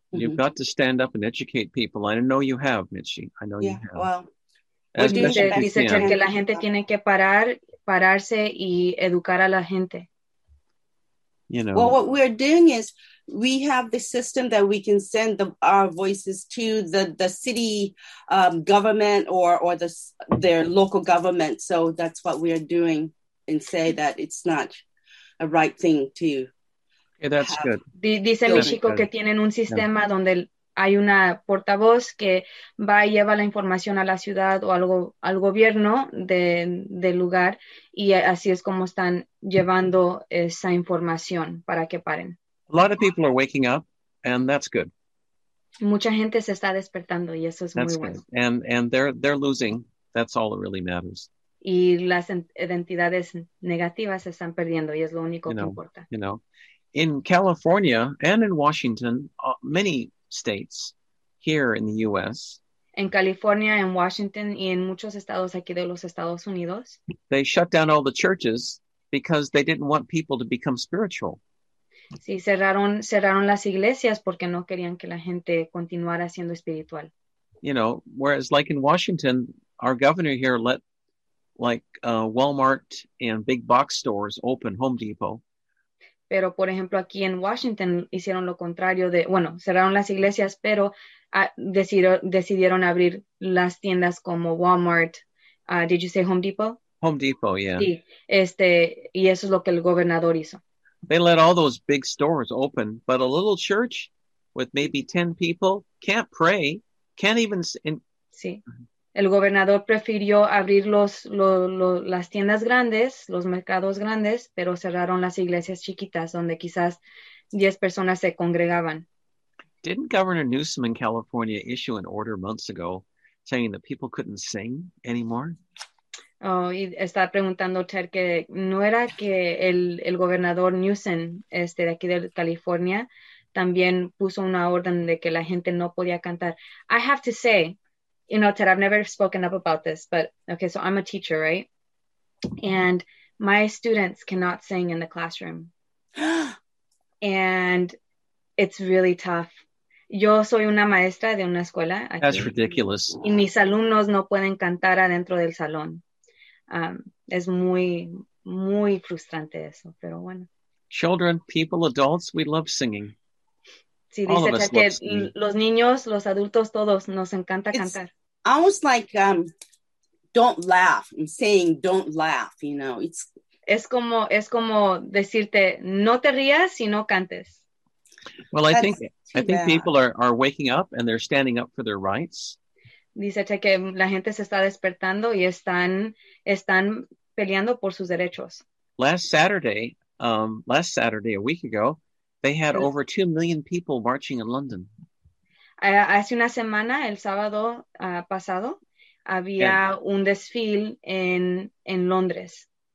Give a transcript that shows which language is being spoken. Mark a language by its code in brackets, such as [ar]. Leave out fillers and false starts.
[en] You've got to stand up and educate people. I know you have, Michi. I know you have. Well, [es] dice Chet que la gente tiene que pararse y educar a la gente. [en] You know. Well, what we're doing is we have the system that we can send our voices to the city government or their local government. So that's what we are doing and say that it's not a right thing to. Yeah, that's good. [es] Dice mi chico que tienen un sistema donde hay una portavoz que va y lleva la información a la ciudad o al gobierno del lugar, y así es como están llevando esa información para que paren. [en] A lot of people are waking up, and that's good. [es] Mucha gente se está despertando, y eso es [en] that's [es] muy [en] good. [es] Bueno. [en] And they're losing. That's all that really matters. [es] Y las identidades negativas se están perdiendo, y es lo único que importa. [en] You know, in California and in Washington, many states here in the U.S. [es] En California, en Washington, y en muchos estados aquí de los Estados Unidos. [en] They shut down all the churches because they didn't want people to become spiritual. [es] Sí, cerraron las iglesias porque no querían que la gente continuara siendo espiritual. [en] You know, whereas like in Washington, our governor here let like Walmart and big box stores open, Home Depot. [es] Pero, por ejemplo, aquí en Washington hicieron lo contrario de, bueno, cerraron las iglesias, pero decidieron abrir las tiendas como Walmart. [en] Did you say Home Depot? Home Depot, yeah. [es] Sí, y eso es lo que el gobernador hizo. [en] They let all those big stores open, but a little church with maybe 10 people can't pray, can't even... [es] Sí. El gobernador prefirió abrir las tiendas grandes, los mercados grandes, pero cerraron las iglesias chiquitas donde quizás 10 personas se congregaban. [en] Didn't Governor Newsom in California issue an order months ago saying that people couldn't sing anymore? [es] Oh, y está preguntando Ted que no era que el gobernador Newsom de aquí de California también puso una orden de que la gente no podía cantar. [en] I have to say, you know, Ted, I've never spoken up about this, but okay, so I'm a teacher, right? And my students cannot sing in the classroom. And it's really tough. [es] Yo soy una maestra de una escuela. Aquí, [en] that's ridiculous. [es] Y mis alumnos no pueden cantar adentro del salón. Es muy, muy frustrante eso, pero bueno. [en] Children, people, adults, we love singing. [es] Sí, dice Ted que los niños, los adultos, todos nos encanta cantar. [en] Almost like, don't laugh. I'm saying don't laugh, you know. It's [es] es como decirte no te rías si no cantes. [en] Well, I think people are waking up and they're standing up for their rights. [es] Dice que la gente se está despertando y están peleando por sus derechos. [en] Last Saturday, a week ago, they had over 2 million people marching in London. [es] Hace una semana, el sábado pasado, había un desfile en Londres.